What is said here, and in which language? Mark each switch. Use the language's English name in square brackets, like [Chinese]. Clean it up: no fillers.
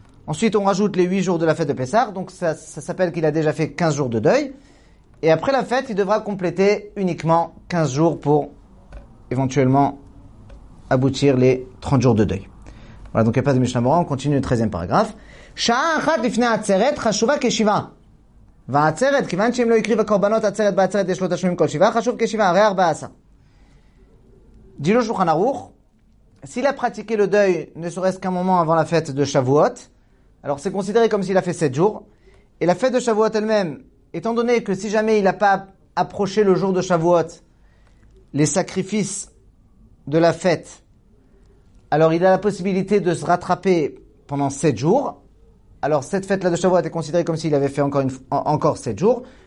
[French] Ensuite, on rajoute les 8 jours de la fête de Pessah, donc ça s'appelle qu'il a déjà fait 15 jours de deuil. Et après la fête, il devra compléter uniquement 15 jours pour éventuellement aboutir les 30 jours de deuil. Voilà, donc il n'y a pas de Mishnah Berurah, on continue le 13e paragraphe. [Hebrew] « Sha'a achat lifnei atzeret chashuva keshiva » והעצרת, כיוון שאם לא יקריב הקורבנות עצרת בעצרת יש לו תשלומים כל שבעה, חשוב כשבעה, הרי 14. [French] דין הוא שולחן ערוך, s'il a pratiqué le deuil ne serait-ce qu'un moment avant la fête de Shavuot, alors c'est considéré comme s'il a fait 7 jours, et la fête de Shavuot elle-même, étant donné que si jamais il n'a pas approché le jour de Shavuot, les sacrifices de la fête, alors il a la possibilité de se rattraper pendant 7 jours, alors cette fête-là de Shavuot est considérée comme s'il avait fait encore 7 jours.